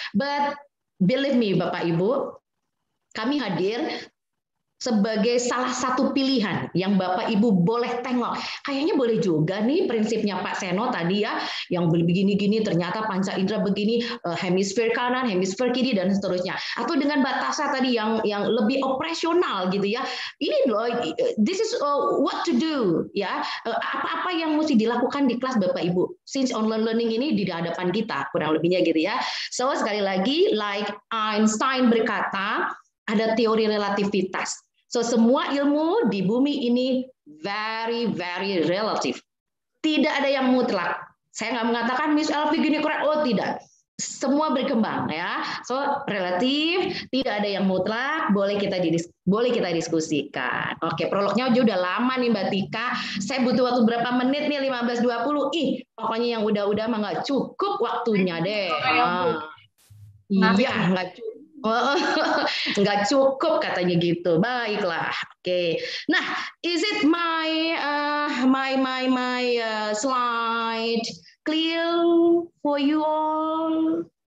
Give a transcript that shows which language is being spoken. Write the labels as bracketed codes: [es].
[en] But believe me, [id] Bapak Ibu, kami hadir sebagai salah satu pilihan yang Bapak Ibu boleh tengok. Kayaknya boleh juga nih prinsipnya Pak Seno tadi ya, yang begini-gini ternyata panca indera begini, hemisfer kanan, hemisfer kiri dan seterusnya. Atau dengan batasa tadi yang lebih operasional gitu ya. Ini loh, [en] this is what to do ya. [id] Apa-apa yang mesti dilakukan di kelas Bapak Ibu [en] since online learning [id] ini di hadapan kita kurang lebihnya gitu ya. So sekali lagi like Einstein berkata, ada teori relativitas. So semua ilmu di bumi ini [en] very very relative. [id] Tidak ada yang mutlak. Saya nggak mengatakan Miss Elvi gini keren. Oh tidak. Semua berkembang ya. So relatif. Tidak ada yang mutlak. Boleh kita diskusikan. Oke, prolognya udah lama nih Mbak Tika. Saya butuh waktu berapa menit nih? 15-20. Ih, pokoknya yang udah-udah mah nggak cukup waktunya deh. Iya nggak cukup. Enggak cukup katanya gitu. Baiklah. Oke. Okay. [en] Nah, is it my slide clear for you all?